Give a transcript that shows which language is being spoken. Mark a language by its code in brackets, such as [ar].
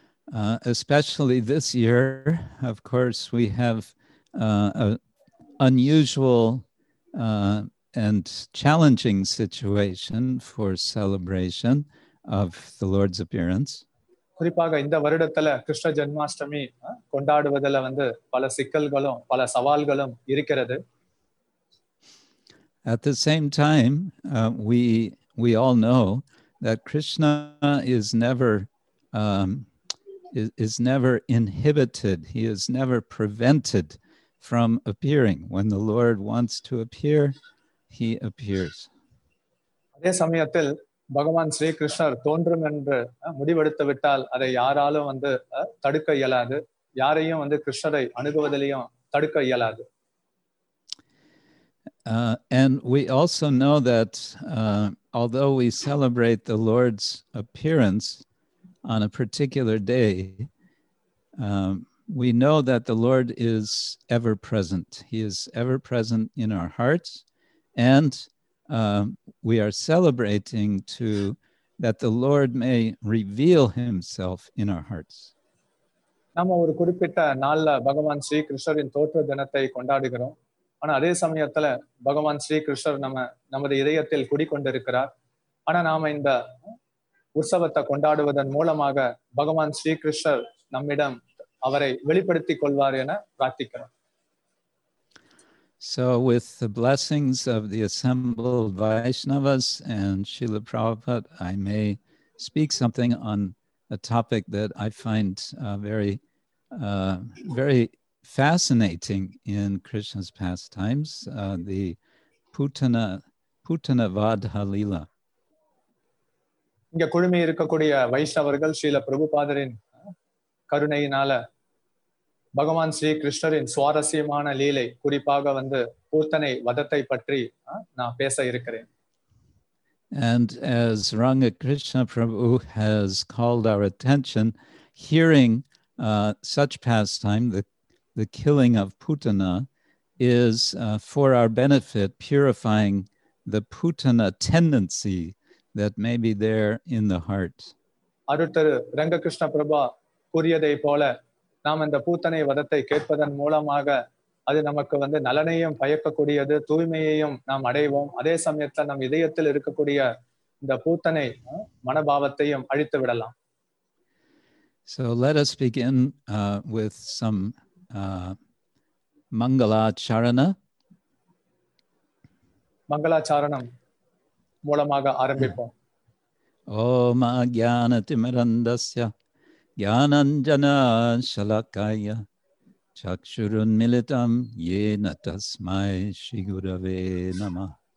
[en] Especially this year, of course, we have an unusual and challenging situation for celebration of the Lord's appearance. [ta] குறிப்பாக இந்த வருடத்துல கிருஷ்ண ஜென்மாஷ்டமி கொண்டாடுவதில் வந்து பல சிக்கல்களும் பல சவால்களும் இருக்கிறது. [en] At the same time, we all know that Krishna is never inhibited. He is never prevented from appearing. When the Lord wants to appear, He appears. [ta] அதே சமயத்தில் பகவான் ஸ்ரீ கிருஷ்ணர் தோன்றும் என்று முடிவெடுத்து விட்டால் அதை யாராலும் வந்து தடுக்க இயலாது. யாரையும் வந்து கிருஷ்ணரை அணுகுவதிலையும் தடுக்க இயலாது. [en] And we also know that although we celebrate the Lord's appearance on a particular day, we know that the Lord is ever present. He is ever present in our hearts. And we are celebrating to that the Lord may reveal Himself in our hearts. [ta] நாம ஒரு குறிப்பிட்ட நாள்ல பகவான் ஸ்ரீ கிருஷ்ணரின் தோற்ற தினத்தை கொண்டாடுகிறோம். ஆனா அதே சமயத்துல பகவான் ஸ்ரீ கிருஷ்ணர் நமது இதயத்தில் குடிக்கொண்டிருக்கிறார். ஆனா நாம இந்த உற்சவத்தை கொண்டாடுவதன் மூலமாக பகவான் ஸ்ரீ கிருஷ்ணர் நம்மிடம் அவரை வெளிப்படுத்திக் கொள்வார் என பிரார்த்திக்கிறோம். [en] So with the blessings of the assembled Vaishnavas and Srila Prabhupada, I may speak something on a topic that I find very fascinating in Krishna's pastimes, the Putana Vadha Lila. [ta] இங்க குழுமி இருக்கக்கூடிய வைஷ்ணவர்கள் ஸ்ரீல பிரபுபாதரின் கருணையினால பகவான் ஸ்ரீ கிருஷ்ணரின் சுவாரஸ்யமான லீலை குறிப்பாக வந்து பூத்தனை வதத்தை பற்றி நான் பேச இருக்கிறேன். [en] And as Ranga Krishna Prabhu has called our attention, hearing such pastime, the killing of Putana, is for our benefit, purifying the putana tendency that may be there in the heart. [ta] அருட்தரு Rangakrishna Prabha கூறியதை போல நாம் இந்த பூத்தனை வதத்தை கேட்பதன் மூலமாக அது நமக்கு வந்து நலனையும் பயக்கக்கூடியது, தூய்மையையும் நாம் அடைவோம். அதே சமயத்தில் நம் இதயத்தில் இருக்கக்கூடிய இந்த பூத்தனை மனபாவத்தையும் அழித்து விடலாம். [en] So let us begin with some Mangala Charana. [ta] Mangala Charanam மூலமாக ஆரம்பிப்போம். [sa] Om Ajnana Timirandasya Jnananjana Shalakaya Chakshurun Militam Yena Tasmai Shri Gurave Namah